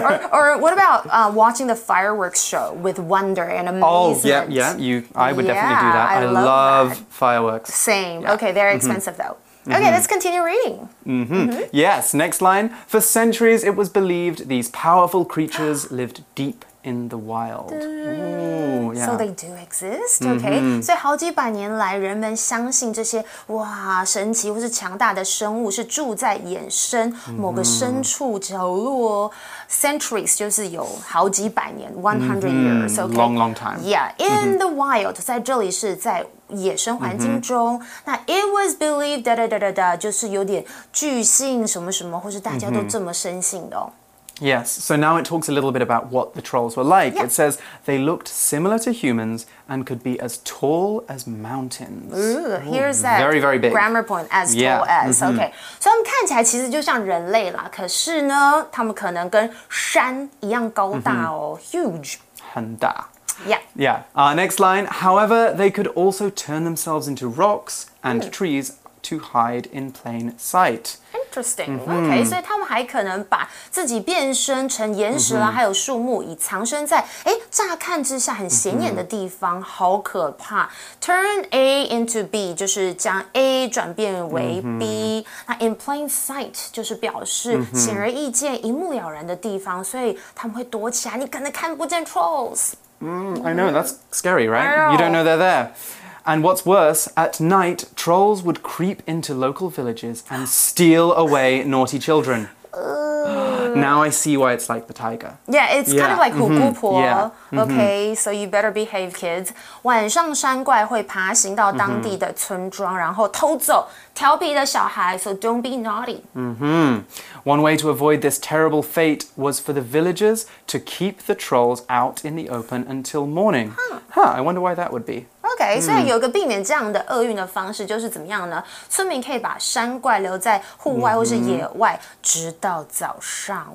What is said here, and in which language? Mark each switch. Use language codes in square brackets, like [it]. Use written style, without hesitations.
[en] Or what about watching the fireworks show with wonder and amazement? Oh, yeah, yeah. I would definitely do that. I love that. Fireworks. Same. Yeah. Okay, they're expensive though. Okay, let's continue reading. Yes, next line. For centuries, it was believed these powerful creatures lived deep in the wild. So they do exist, okay? [zh] So 好几百年来人们相信这些哇神奇或是强大的生物是住在衍生某个深处角落。 Centuries 就是有好几百年 , [en] 100 years, okay? Long, long time. Yeah, in the wild, [zh] 在这里是在野生环境中。那 [en] it was believed, [zh] 哒哒哒哒哒就是有点巨信什么什么或是大家都这么深信的哦。 [en] Yes, so now it talks a little bit about what the trolls were like. Yeah. It says they looked similar to humans and could be as tall as mountains. Ooh, here's that. Very, very big. Grammar point, as tall as. Okay, so [zh] 他们看起来其实就像人类啦，可是呢，他们可能跟山一样高大哦， [en] huge. [zh] 很大。 [en] Yeah. Yeah. Next line. However, they could also turn themselves into rocks and trees. To hide in plain sight. Interesting. Okay, so [zh] 他们还可能把自己变身成岩石啦，还有树木，以藏身在乍看之下很显眼的地方，好可怕。 Turn A into B 就是将 A 转变为 B。那 [en] in plain sight [zh] 就是表示显而易见、一目了然的地方，所以他们会躲起来，你可能看不见 trolls。 [en] I know that's scary, right? You don't know they're there. And what's worse, at night, trolls would creep into local villages and steal away naughty children. Now I see why it's like the tiger. Yeah, it's kind of like 虎姑婆. Yeah. Okay, so you better behave, kids. [zh] 晚上山怪会爬行到当地的村庄，然后偷走调皮的小孩, [en] so don't be naughty. One way to avoid this terrible fate was for the villagers to keep the trolls out in the open until morning. Huh, I wonder why that would be. [zh] Okay, 所以有一个避免这样的厄运的方式就是怎么样呢？村民可以把山怪留在户外或是野外直到早上。